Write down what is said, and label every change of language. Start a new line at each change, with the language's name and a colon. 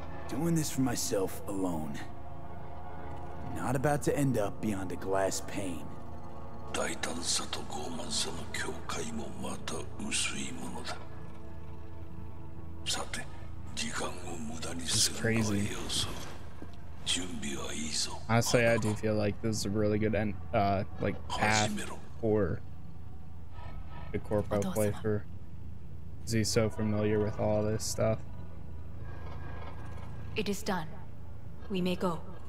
English: Doing this for myself alone. Not about to end up beyond a glass pane.
Japanese: 大胆さと傲慢さの境界もまた薄いものだ。さて、時間を無駄にするのはよそ。準備はいいぞ。
English: Honestly, I do feel like this is a really good end, like path for the Corpo playthrough. He's so familiar with all this stuff. It is done. We may go.